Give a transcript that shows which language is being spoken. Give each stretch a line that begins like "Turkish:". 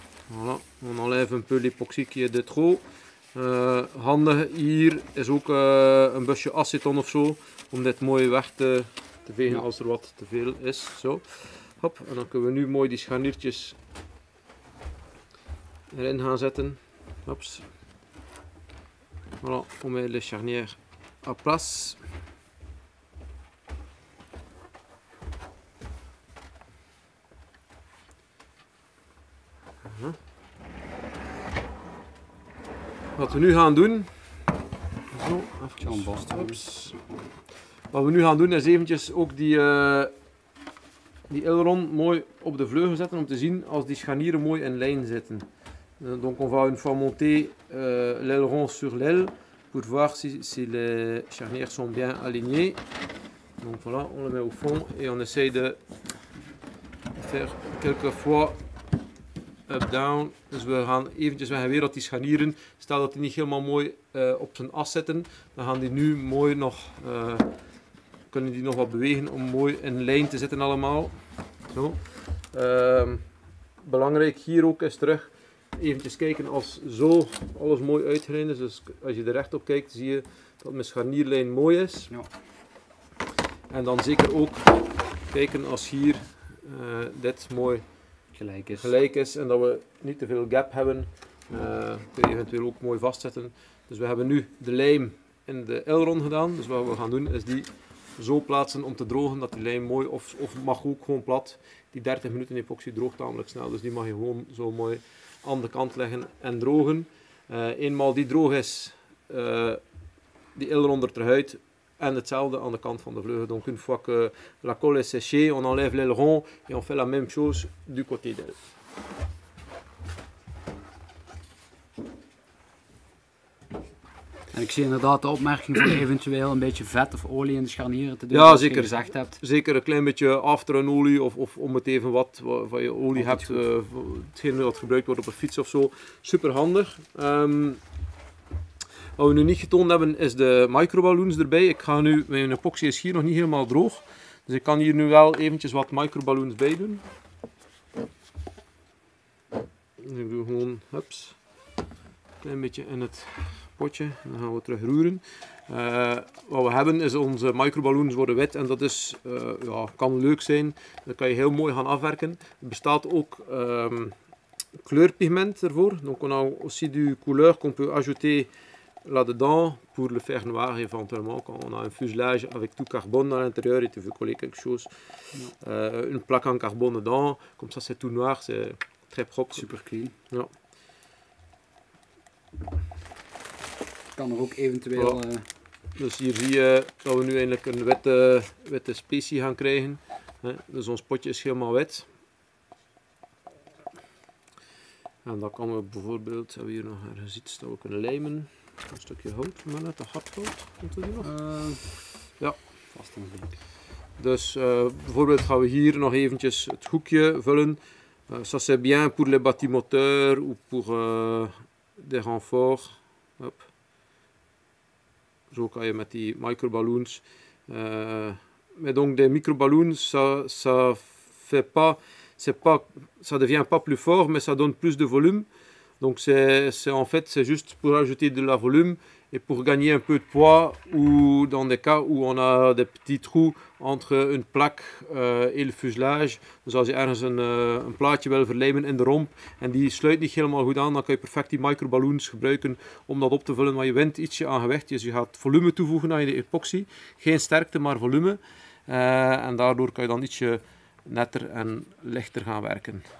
French: Voilà, on enlève un peu l'epoxy qui est de trop.
Dutch: Handig hier is ook een busje aceton of zo om dit mooi weg te vegen als er wat te veel is. Zo. Hop, en dan kunnen we nu mooi die scharniertjes erin gaan zetten. Hops.
French: Voilà, on met les charnières à place.
Dutch: Wat we nu gaan doen, zo, even vast. Wat we nu gaan doen is eventjes ook die aileron mooi op de vleugel zetten om te zien als die scharnieren mooi in lijn zitten.
French: Donc on va une fois monter l'aileron sur l'aile pour voir si les charnières sont bien alignées. Donc voilà, on le met au fond et on essaye de faire quelques fois.
English: Up-down.
Dutch: Dus we gaan eventjes weg en weer dat die scharnieren, stel dat die niet helemaal mooi op zijn as zitten, dan gaan die nu mooi nog, kunnen die nog wat bewegen om mooi in lijn te zitten allemaal. Zo. Belangrijk hier ook is terug, eventjes kijken als zo alles mooi uitgereden is. Dus als je er recht op kijkt, zie je dat mijn scharnierlijn mooi is. Ja. En dan zeker ook kijken als hier dit mooi gelijk is. Gelijk is en dat we niet te veel gap hebben. Kun je eventueel ook mooi vastzetten. Dus we hebben nu de lijm in de L-ron gedaan. Dus wat we gaan doen is die zo plaatsen om te drogen dat die lijm mooi of mag ook gewoon plat. Die 30 minuten epoxy droogt tamelijk snel. Dus die mag je gewoon zo mooi aan de kant leggen en drogen. Eenmaal die droog is, die L-ron er eruit. En hetzelfde aan de kant van de vleugel.
French: Donc une fois que la colle est séchée, on enlève l'aileron et on fait la même chose du côté d'elle.
Dutch: En ik zie inderdaad de opmerking van eventueel een beetje vet of olie in de scharnieren te doen. Ja, zeker. Je gezegd hebt. Zeker een klein beetje afteren olie of om het even wat van je olie hebt. Hetgeen wat gebruikt wordt op een fiets of zo. Super handig. Wat we nu niet getoond hebben is de microballoons erbij. Ik ga nu, mijn epoxy is hier nog niet helemaal droog. Dus ik kan hier nu wel eventjes wat microballoons bij doen. Nu doe ik gewoon, hups, een klein beetje in het potje. Dan gaan we terug roeren. Wat we hebben is onze microballoons worden wit. En dat is, ja, kan leuk zijn. Dat kan je heel mooi gaan afwerken. Er bestaat ook kleurpigment ervoor.
French: Donc on a aussi du couleur qu'on peut ajouter là-dedans, pour le faire noir éventuellement, quand on a un fuselage avec tout carbone à l'intérieur et tu veux coller quelque chose, une plaque en carbone dedans, comme ça c'est tout noir, c'est très propre.
English: Super clean.
Dutch: Ja. Kan er ook eventueel... Voilà. Dus hier zie je dat we nu eindelijk een witte, witte specie gaan krijgen. Dus ons potje is helemaal wit. En dan kan we bijvoorbeeld, hebben we hier nog ergens iets dat we kunnen lijmen. Een stukje hout, maar net een hardhout, komt er hier nog? Ja. Vast en zeker. Dus bijvoorbeeld gaan we hier nog eventjes het hoekje vullen.
French: Ça c'est bien pour les bâtimoteurs ou pour des renforts. Hop.
Dutch: Zo kan je met die microballoons.
French: Met donc des microballoons, ça fait pas, c'est pas, ça devient pas plus fort, mais ça donne plus de volume. Donc c'est en fait c'est juste pour ajouter de la volume et pour gagner un peu de poids ou dans des cas où on a des petits trous entre une plaque et le fuselage.
Dutch: Dus als je ergens een plaatje wil verlijmen in de romp en die sluit niet helemaal goed aan, dan kan je perfect die microballoons gebruiken om dat op te vullen. Maar je wint ietsje aan gewicht, dus je gaat volume toevoegen aan je epoxy. Geen sterkte, maar volume. En daardoor kan je dan ietsje netter en lichter gaan werken.